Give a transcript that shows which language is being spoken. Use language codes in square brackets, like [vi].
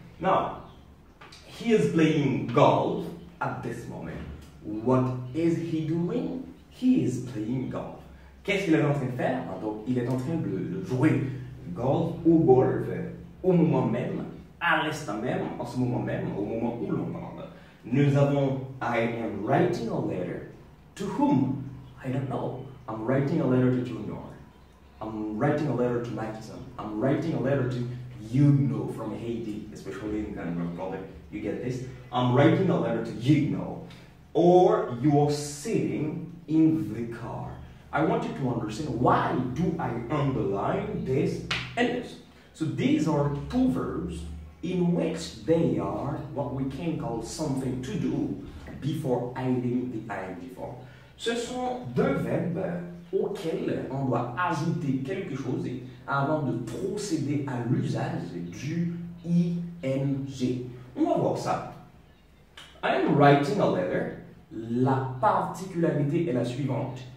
[en] Now, he is playing golf at this moment. What is he doing? He is playing golf. [fr] Qu'est-ce qu'il est en train de faire? Donc, il est en train de jouer golf ou golf au moment même, à l'instant même, en ce moment même, au moment où l'on parle. Nous avons, [en] I am writing a letter. To whom? I don't know. I'm writing a letter to Junior. I'm writing a letter to Maxim. I'm writing a letter to you know from Haiti, especially in Canada, probably. You get this? I'm writing a letter to you know. Or you are sitting in the car. I want you to understand why do I underline this and this. So these are two verbs in which they are what we can call something to do before adding the ing form. [fr] Ce sont deux verbes auxquels on doit ajouter quelque chose avant de procéder à l'usage du ing. On va voir ça. [en] I am writing a letter. [fr] La particularité est la suivante.